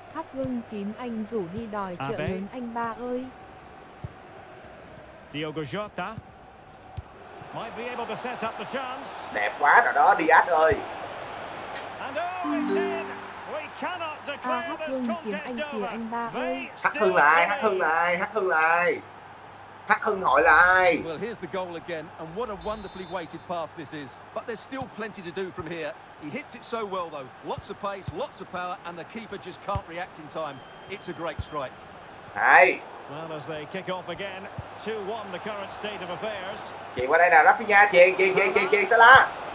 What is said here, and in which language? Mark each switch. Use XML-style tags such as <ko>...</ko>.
<vi>Hắc Hưng Kim Anh rủ đi đòi chợ lớn anh ba ơi.</vi> <en>Diogo Jota might be able to set up the chance.</en> <vi>Đẹp quá rồi đó, Diaz ơi.</vi> <en>And oh, it's in. We cannot declare this contest over.</en> <vi>Hắc Hưng là ai? Hắc Hưng là ai? Hắc Hưng hỏi là ai?</vi> <en>Well, here's the goal again, and what a wonderfully weighted pass this is. But there's still plenty to do from here. He hits it so well though. Lots of pace, lots of power, and the keeper just can't react in time. It's a great strike. Hey. Well, as they kick off again, 2-1 the current state of affairs.</en> <vi>Chuyền qua đây nào, Rafinha, chuyền Salah.</vi>